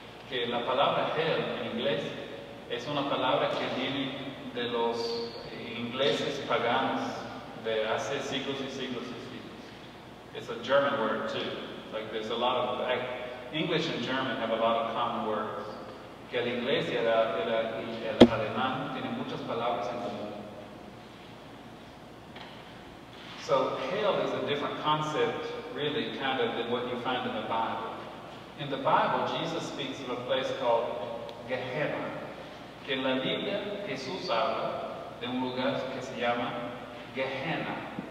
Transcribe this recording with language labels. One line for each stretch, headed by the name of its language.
Spanish: Que la palabra hell en inglés es una palabra que viene de los ingleses paganos de hace siglos y siglos y siglos.
English: It's a German word too. Like there's a lot of, English and German have a lot of common words.
Spanish: Que el inglés y el alemán tienen muchas palabras en común.
English: So hell is a different concept, really, kind of, than what you find in the Bible. In the Bible, Jesus speaks of a place called Gehenna.
Spanish: Que en la Biblia, Jesús habla de un lugar que se llama Gehenna.